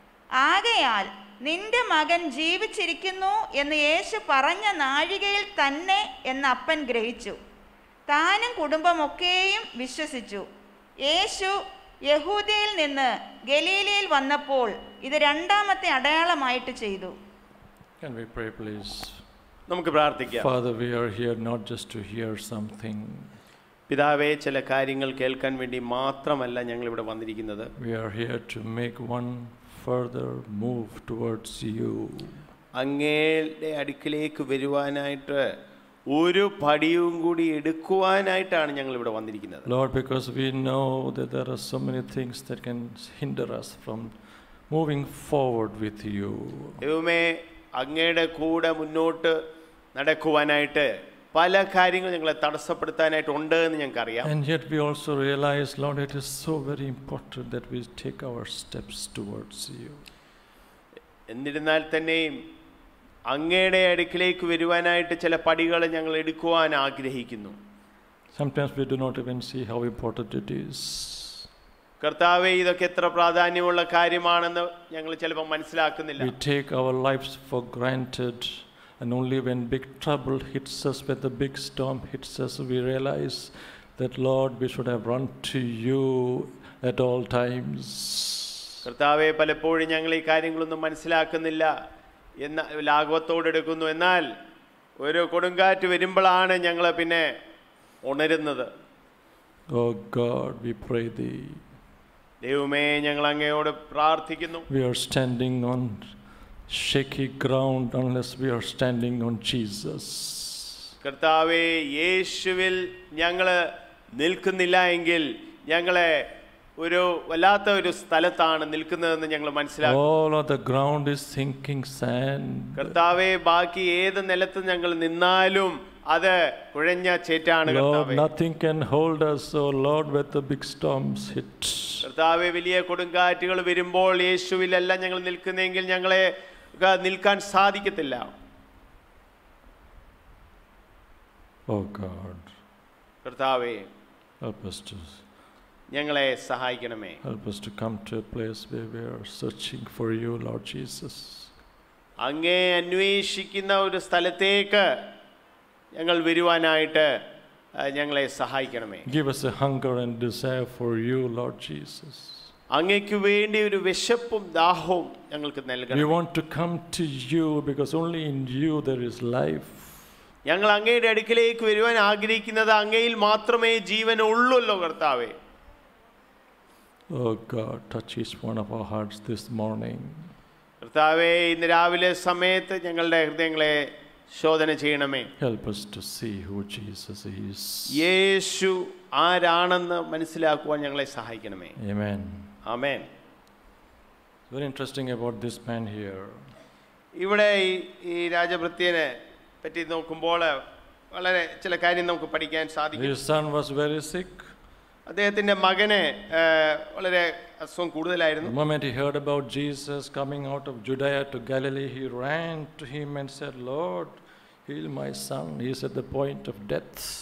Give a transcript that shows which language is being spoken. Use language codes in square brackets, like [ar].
[ml] ആകയാൽ നിന്റെ മകൻ ജീവിച്ചിരിക്കുന്നു എന്ന് യേശു പറഞ്ഞ നാഴികയിൽ തന്നെ എന്ന് അപ്പൻ ഗ്രഹിച്ചു. താനും കുടുംബമൊക്കെയും വിശ്വസിച്ചു. യേശു യഹൂദയിൽ നിന്ന് ഗലീലയിൽ വന്നപ്പോൾ ഇത് രണ്ടാമത്തെ അടയാളമായിട്ട് ചെയ്തു. [en] Can we pray please? [ml] നമുക്ക് പ്രാർത്ഥിക്കാം. [en] Father, we are here not just to hear something. [ml] പിതാവേ, ചില കാര്യങ്ങൾ കേൾക്കാൻ വേണ്ടി മാത്രമല്ല ഞങ്ങൾ ഇവിടെ വന്നിരിക്കുന്നത്. [en] We are here to make one further move towards you. [ml] അങ്ങയുടെ അടുക്കലേക്ക് വരുവാനായിട്ട് ഒരു പടിയും കൂടി എടുക്കുവാനായിട്ടാണ് ഞങ്ങൾ ഇവിടെ വന്നിരിക്കുന്നത്. [en] Lord, because we know that there are so many things that can hinder us from moving forward with you. [ml] ദൈവമേ, അങ്ങയുടെ കൂടെ മുന്നോട്ട് നടക്കുവാനായിട്ട് പല കാര്യങ്ങൾ ഞങ്ങളെ തടസ്സപ്പെടുത്താനായിട്ട് ഉണ്ട് എന്ന് ഞങ്ങൾക്കറിയാം. [en] And yet we also realize, Lord, it is so very important that we take our steps towards you. [ml] എന്നിരുന്നാൽ തന്നെയും അങ്ങയുടെ അടുക്കിലേക്ക് വരുവാനായിട്ട് ചില പടികൾ ഞങ്ങൾ എടുക്കുവാൻ ആഗ്രഹിക്കുന്നു. [en] Sometimes we do not even see how important it is. [ml] കർത്താവേ, ഇതൊക്കെ എത്ര പ്രാധാന്യമുള്ള കാര്യമാണെന്ന് ഞങ്ങൾ ചിലപ്പോൾ മനസ്സിലാക്കുന്നില്ല. [en] We take our lives for granted, and only when big trouble hits us, when the big storm hits us, we realize that, Lord, we should have run to you at all times. [ml] കർത്താവേ, പലപ്പോഴും ഞങ്ങൾ ഈ കാര്യങ്ങളൊന്നും മനസ്സിലാക്കുന്നില്ല എന്ന ലാഘവത്തോടെ എടുക്കുന്നു. എന്നാൽ ഒരു കൊടുങ്കാറ്റ് വരുമ്പോഴാണ് ഞങ്ങൾ പിന്നെ ഉണരുന്നത്. [en] oh God, we pray thee, [ml] ദൈവമേ, ഞങ്ങൾ അങ്ങയോട് പ്രാർത്ഥിക്കുന്നു. [en] We are standing on shaky ground unless we are standing on Jesus. [ml] കർത്താവെ, യേശുവിൽ ഞങ്ങൾ നിൽക്കുന്നില്ലെങ്കിൽ ഞങ്ങളെ ഒരു വല്ലാത്ത ഒരു സ്ഥലത്താണ് നിൽക്കുന്നതെന്ന് ഞങ്ങൾ മനസ്സിലാക്കി. [en] All of the ground is sinking sand. [ml] കർത്താവെ, ബാക്കി ഏത് നിലത്ത് ഞങ്ങൾ നിന്നാലും അത് കുഴഞ്ഞ ചേറ്റാണ്. [en] Lord, nothing can hold us. Oh Lord, when the big storms hit. [ml] കർത്താവെ, വലിയ കൊടുങ്കാറ്റുകൾ വരുമ്പോൾ യേശുവിലല്ല ഞങ്ങൾ നിൽക്കുന്നതെങ്കിൽ ഞങ്ങളെ നിൽക്കാൻ സാധിക്കത്തില്ല. [en] oh God, [ml] കർത്താവേ, [en] help us to, [ml] ഞങ്ങളെ സഹായിക്കണമേ. [en] Help us to come to a place where we are searching for you, Lord Jesus. [ml] അങ്ങേ അന്വേഷിക്കുന്ന ഒരു സ്ഥലത്തേക്ക് ഞങ്ങൾ വരുവാനായിട്ട് ഞങ്ങളെ സഹായിക്കണമേ. [en] Give us a hunger and desire for you, Lord Jesus. [ml] അങ്ങേക്കു വേണ്ടി ഒരു വിശപ്പും ദാഹവും ഞങ്ങൾക്ക് നൽകണം. [en] We want to come to you because only in you there is life. [ml] ഞങ്ങൾ അങ്ങയുടെ അടുക്കലേക്ക് വരുവാൻ ആഗ്രഹിക്കുന്നത് അങ്ങയിൽ മാത്രമേ ജീവൻ ഉള്ളല്ലോ കർത്താവേ. [en] Oh God, touch each one of our hearts this morning. [ml] കർത്താവേ, ഇന്ന് രാവിലെ സമയത്ത് ഞങ്ങളുടെ ഹൃദയങ്ങളെ ശോധന ചെയ്യണമേ. [en] Help us to see who Jesus is. [ml] യേശു ആരാണെന്ന് മനസ്സിലാക്കുവാൻ ഞങ്ങളെ സഹായിക്കണമേ. [en] Amen. Amen. Very interesting about this man here. [ml] ഇവിടെ ഈ രാജഭൃത്യനെ പറ്റി നോക്കുമ്പോൾ വളരെ ചില കാര്യം നമുക്ക് പഠിക്കാൻ സാധിക്കും. [en] His son was very sick. [ml] അദ്ദേഹത്തിന്റെ മകനെ വളരെ അസുഖം കൂടുതലായിരുന്നു. [en] The moment he heard about Jesus coming out of Judea to Galilee, he ran to him and said, Lord, heal my son. He is at the point of death.